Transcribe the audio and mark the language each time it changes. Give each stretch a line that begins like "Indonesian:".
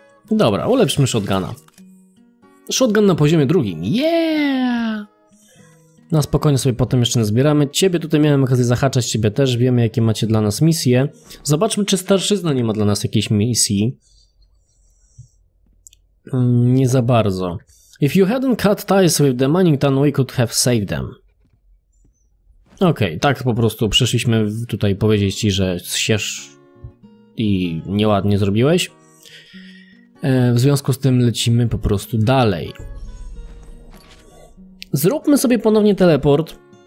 Polish: Dobra, ulepszmy shotguna. Shotgun na poziomie drugim. Yeah! Na spokojnie sobie potem jeszcze nazbieramy. Ciebie tutaj miałem okazję zahaczać, ciebie też. Wiemy, jakie macie dla nas misje. Zobaczmy, czy starszyzna nie ma dla nas jakiejś misji. Nie za bardzo.
English: If you hadn't cut ties with the mining town, we could have saved them.
Polish: Okej, okay, tak po prostu przyszliśmy tutaj powiedzieć ci, że zsiesz i nieładnie zrobiłeś. W związku z tym lecimy po prostu dalej. Zróbmy sobie ponownie teleport.